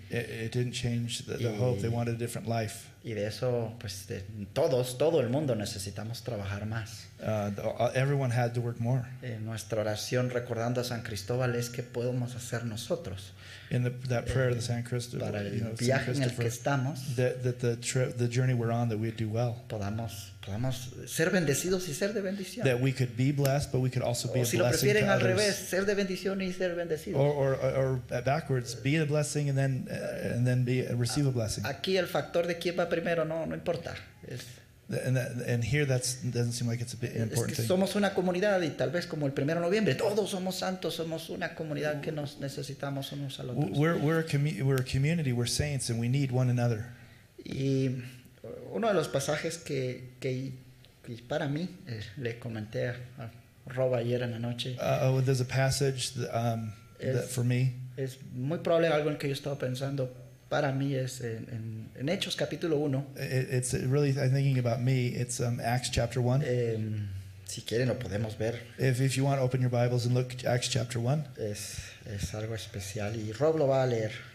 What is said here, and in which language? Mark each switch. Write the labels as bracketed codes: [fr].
[en] It didn't change the hope. They wanted a different life. [es] Y de eso, pues, de todos, todo el mundo necesitamos trabajar más. [en] Everyone had to work more. [es] Nuestra oración recordando a San Cristóbal es que podemos hacer nosotros. [en] In that prayer of the San Cristóbal, [es] para el viaje en el que estamos, [en] the journey we're on, that we'd do well. [es] Podamos ser bendecidos y ser de bendición. [en] That we could be blessed, but we could also be a blessing to others. [es] O si lo prefieren al revés, ser de bendición y ser bendecidos. [en] Or backwards, be a blessing and then be receive a blessing. [es] Aquí el factor de quién va primero no importa. [en] And here that doesn't seem like it's a bit important. [es] Es que somos una comunidad y tal vez como el 1 de noviembre todos somos santos, somos una comunidad que nos necesitamos unos a los otros. [en] We're a community, we're saints, and we need one another. [es] Y uno de los pasajes que para mí le comenté a Rob ayer en la noche. [en] There's a passage that for me. [es] Es muy probable algo en que yo estaba pensando. Para mí es en Hechos capítulo 1. [en] It's really thinking about me. It's Acts chapter 1. [es] Si quieren lo podemos ver. [en] If you want, open your Bibles and look at Acts chapter 1. [es] Es algo especial y Rob lo va a leer.